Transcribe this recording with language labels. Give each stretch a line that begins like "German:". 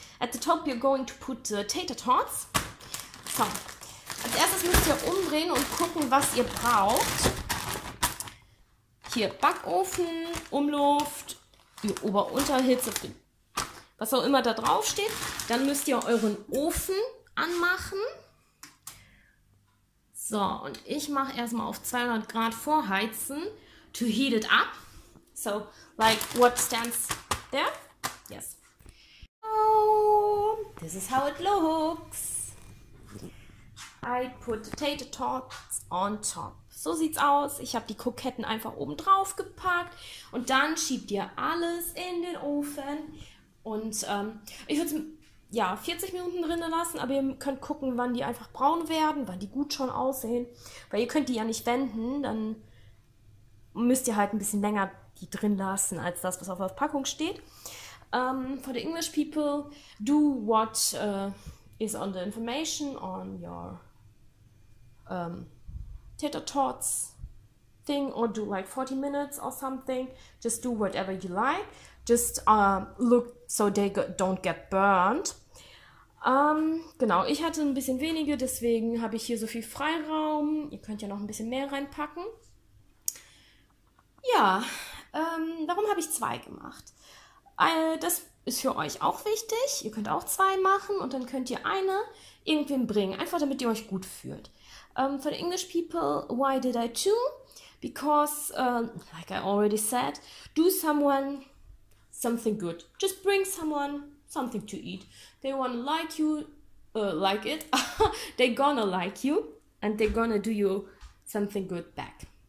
English: At the top you're going to put the tater tots.
German: So, als erstes müsst ihr umdrehen und gucken, was ihr braucht. Hier Backofen, Umluft, Ober-Unterhitze, was auch immer da drauf steht. Dann müsst ihr euren Ofen anmachen. So, und ich mache erstmal auf 200 Grad vorheizen,
English: to heat it up. So, like what stands there? Yes. Oh, this is how it looks. I put the tater tots on top.
German: So sieht's aus. Ich habe die Kroketten einfach oben drauf gepackt. Und dann schiebt ihr alles in den Ofen. Und ich würde es... Ja, 40 Minuten drinnen lassen, aber ihr könnt gucken, wann die einfach braun werden, wann die gut schon aussehen. Weil ihr könnt die ja nicht wenden, dann müsst ihr halt ein bisschen länger die drin lassen, als das, was auf der Packung steht.
English: For the English people, do what is on the information on your tater tots thing, or do like 40 minutes or something. Just do whatever you like. Just look so they don't get burned.
German: Genau, ich hatte ein bisschen weniger, deswegen habe ich hier so viel Freiraum. Ihr könnt ja noch ein bisschen mehr reinpacken. Ja, warum habe ich zwei gemacht? Das ist für euch auch wichtig. Ihr könnt auch zwei machen und dann könnt ihr eine irgendwem bringen, einfach damit ihr euch gut fühlt.
English: For the English people, why did I two? Because, like I already said, do someone something good. Just bring someone something to eat. They wanna like you, like it. They gonna like you and they gonna do you something good back.